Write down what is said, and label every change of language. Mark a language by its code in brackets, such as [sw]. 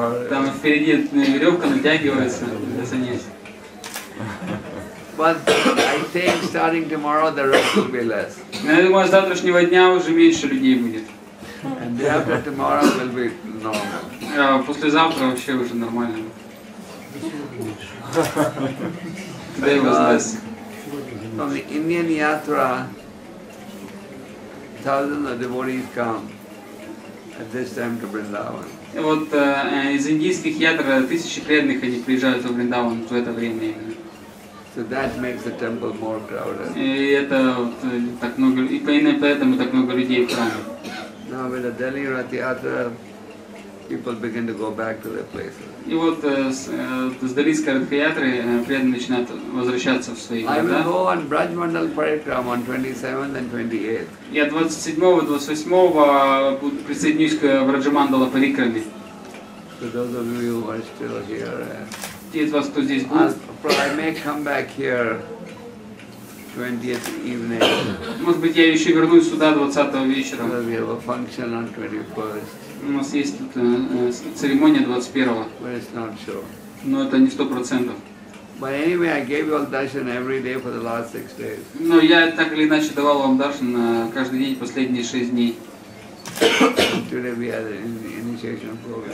[ru] Там впереди веревка натягивается для саньяси. [en] But I think starting tomorrow the rush will be less. [ru] Я думаю, с завтрашнего дня уже меньше людей будет. [en] And after tomorrow will be normal. [ru] Послезавтра вообще уже нормально. [en] Because from the Indian Yatra, thousands of devotees come. at this time to Vrindavan. [ru] И вот из индийских ядр тысячи преданных они приезжают в Вриндаван в это время. [en] So that makes the temple more crowded. [ru] И это вот, так много, и именно поэтому так много людей в храме. [en] Now with the Delhi Ratiyatra, people begin to go back to their places. [ru] И вот с Далийской Ратхаятры преданные начинают возвращаться в свои города. [en] I will go on Braj Mandal Parikram on 27th and 28th. [ru] Я 27-го, 28-го присоединюсь к Braj Mandal Parikram. [en] For those of you who are still here, [ru] те из вас, кто здесь будет, [en] I may come back here 20th evening. [ru] Может быть, я еще вернусь сюда 20-го вечера. [en] So we have a function on 21st. [ru] У нас есть тут церемония 21-го. [en] But it's not sure. [ru] Но это не 100%. [en] But anyway, I gave you all darshan every day for the last 6 days. [ru] Но я так или иначе давал вам даршан каждый день последние 6 дней. [en] Today we had an initiation program.